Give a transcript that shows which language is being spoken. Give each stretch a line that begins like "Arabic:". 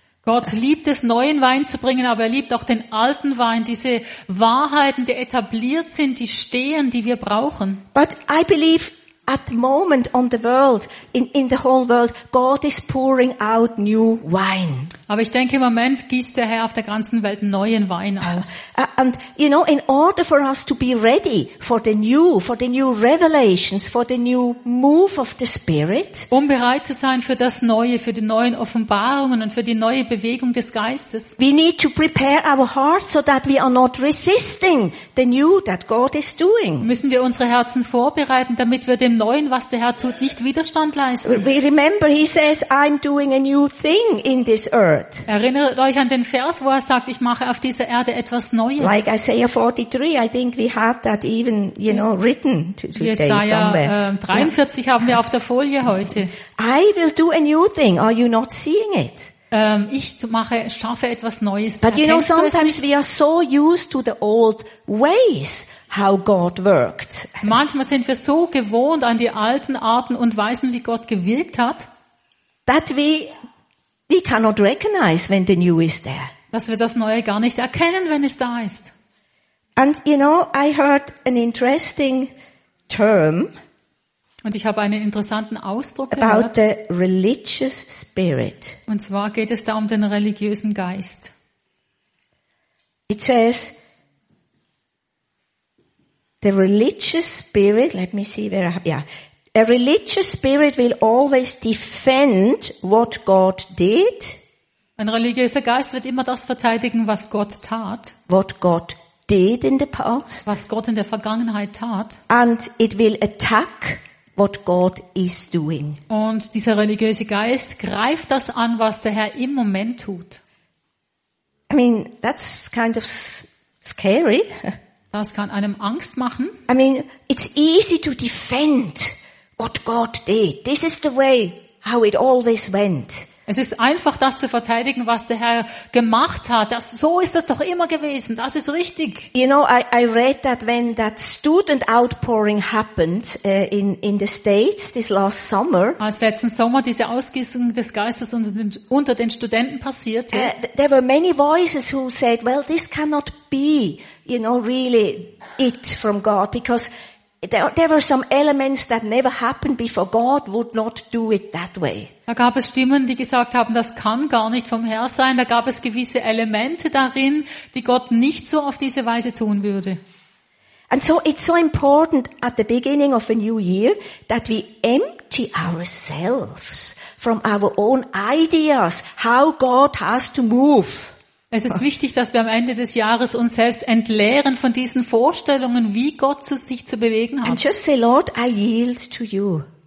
German: Gott liebt es, neuen Wein zu bringen, aber er liebt auch den alten Wein, diese Wahrheiten, die etabliert sind, die stehen, die wir brauchen.
English: But I believe at the moment on the world, in the whole world, God is pouring out new wine.
German: Aber ich denke, im Moment gießt der Herr auf der ganzen Welt neuen Wein aus.
English: And you know, in order for us to be ready for the new revelations, for the new move of the Spirit.
German: Um bereit zu sein für das Neue, für die neuen Offenbarungen und für die neue Bewegung des Geistes.
English: We need to prepare our hearts so that we are not resisting the new that God is doing.
German: Müssen wir unsere Herzen vorbereiten, damit wir dem Neuen, was der Herr tut, nicht Widerstand leisten.
English: We remember, he says, I'm doing a new thing in this earth.
German: Erinnert euch an den Vers, wo er sagt, ich mache auf dieser Erde etwas Neues.
English: Like Isaiah 43, I think we had that even, you know, written today somewhere.
German: Jesaja 43 haben wir auf der Folie heute.
English: I will do a new thing. Are you not seeing it?
German: Ich mache, schaffe etwas Neues.
English: But you know, sometimes we are so used to the old ways how God worked.
German: Manchmal sind wir so gewohnt an die alten Arten und Weisen, wie Gott gewirkt hat,
English: that we cannot recognize when the new is there.
German: Dass wir das Neue gar nicht erkennen, wenn es da ist.
English: And you know, I heard an interesting term.
German: Und ich habe einen interessanten Ausdruck
English: about
German: gehört.
English: About the religious spirit.
German: Und zwar geht es da um den religiösen Geist.
English: It says the religious spirit. Let me see where. A religious spirit will always defend what God did.
German: Ein religiöser Geist wird immer das verteidigen, was Gott tat.
English: What God did in the past.
German: Was Gott in der Vergangenheit tat.
English: And it will attack what God is doing.
German: Und dieser religiöse Geist greift das an, was der Herr im Moment tut.
English: I mean, that's kind of scary.
German: Das kann einem Angst machen.
English: I mean, it's easy to defend what God did. This is the way how it always went.
German: Es ist einfach, das zu verteidigen, was der Herr gemacht hat. Das, so ist das doch immer gewesen. Das ist richtig.
English: You know, I read that when that student outpouring happened in the States this last summer.
German: Als letzten Sommer diese Ausgießung des Geistes unter den Studenten passierte.
English: There were many voices who said, well, this cannot be, you know, really it from God, because there were some elements that never happened before. God would not do it that way.
German: Da gab es Stimmen, die gesagt haben, das kann gar nicht vom Herr sein. Da gab es gewisse Elemente darin, die Gott nicht so auf diese Weise tun würde.
English: And so it's so important at the beginning of a new year that we empty ourselves from our own ideas how God has to move.
German: Es ist wichtig, dass wir am Ende des Jahres uns selbst entleeren von diesen Vorstellungen, wie Gott zu sich zu bewegen hat.
English: And just say, Lord, I yield to you.